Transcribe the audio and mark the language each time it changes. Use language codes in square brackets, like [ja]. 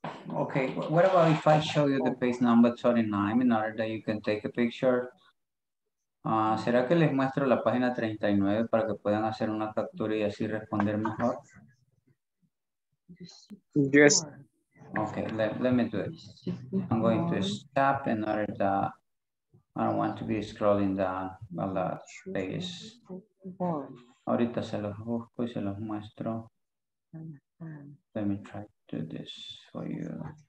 [en] Okay, what about if I show you the page number 29 in order that you can take a picture? [es] ¿Será que les muestro la página 39 para que puedan hacer una captura y así responder mejor? [en] Yes. Okay, let me do it. I'm going to stop in order that I don't want to be scrolling down a lot of space. [es] Ahorita se los busco y se los muestro. [en] Let me try to do this for you.